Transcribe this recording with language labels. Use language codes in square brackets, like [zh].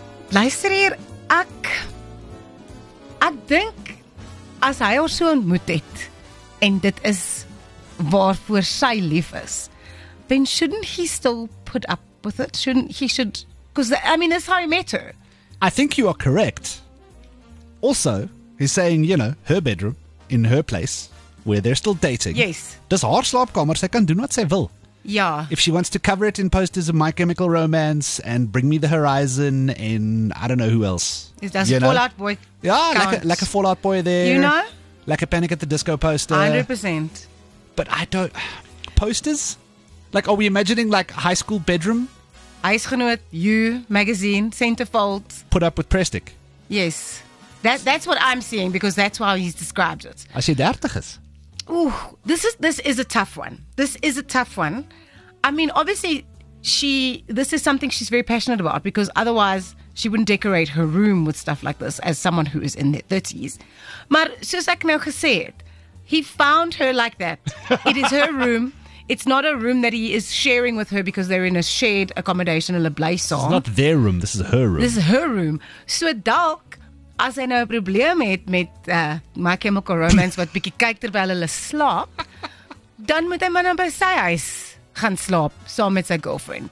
[af] Luister hier, ek dink as hy haar so ontmoet het, en dit is waarvoor sy lief is, [en] then shouldn't he still put up with it? Because that's how he met her. I think you are correct. Also, he's saying, you know, her bedroom, in her place, where they're still dating. Yes. [af] Does haar slaapkamer, sy kan doen wat sy wil. [en] Yeah. If she wants to cover it in posters of My Chemical Romance and Bring Me the Horizon in, I don't know who else. Does Fall Out Boy count? Yeah, like a Fall Out Boy there. You know? Like a Panic at the Disco poster. 100%. But I don't... Posters? Like, are we imagining like high school bedroom? Huisgenoot, You, Magazine, Centerfold. Put up with Prestick. Yes. That's what I'm seeing because that's how he's described it. I see 30s. Ooh, this is a tough one. This is a tough one. I mean, obviously, this is something she's very passionate about because otherwise she wouldn't decorate her room with stuff like this as someone who is in their 30s. [af] Maar soos ek nou gesê het, [en] he found her like that. It is her room. It's not a room that he is sharing with her because they're in a shared accommodation, in a blaze song. It's not their room. This is her room. This is her room. [af] So dalk, as hy nou 'n probleem het met My Chemical Romance, wat bietjie kyk terwyl hulle slaap, dan moet hy maar nou by sy huis gaan slaap, saam met sy girlfriend.